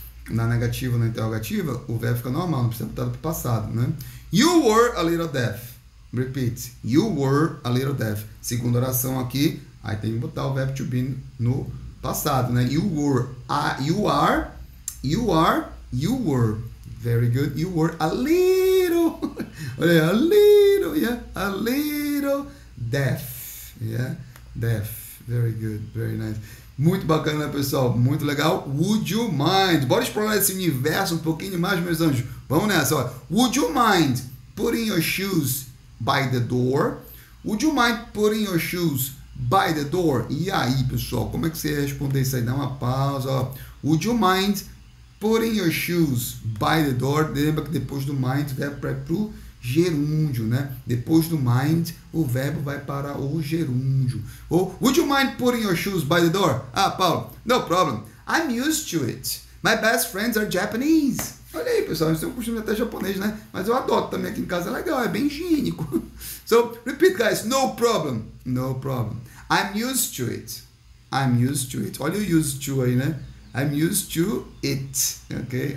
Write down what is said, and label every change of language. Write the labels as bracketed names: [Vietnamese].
[Portuguese] Na negativa ou na interrogativa, o verbo fica normal, não precisa botar para o passado, né? [English] You were a little deaf. Repeat. You were a little deaf. [Portuguese] Segunda oração aqui, aí tem que botar o verbo to be no passado, né? [English] You were, you were. Very good. You were a little, yeah, a little deaf. Yeah, deaf. Very good, very nice. [Portuguese] Muito bacana, pessoal. Muito legal. [English] Would you mind? [Portuguese] Bora explorar esse universo um pouquinho mais, meus anjos. Vamos nessa. Olha. [English] Would you mind putting your shoes by the door? Would you mind putting your shoes by the door? [Portuguese] E aí, pessoal? Como é que você ia responder isso aí? Dá uma pausa. Olha. [English] Would you mind putting your shoes by the door? [Portuguese] Lembra que depois do mind, o verbo vai para o gerúndio, né? Depois do mind, o verbo vai para o gerúndio. [English] Ou, would you mind putting your shoes by the door? Ah, Paulo, no problem. I'm used to it. My best friends are Japanese. [Portuguese] Olha aí, pessoal, eu tenho um costume até japonês, né? Mas eu adoto também aqui em casa, é legal, é bem higiênico. [English] So, repeat, guys. No problem. No problem. I'm used to it. I'm used to it. [Portuguese] Olha o used to aí, né? [English] I'm used to it. Okay?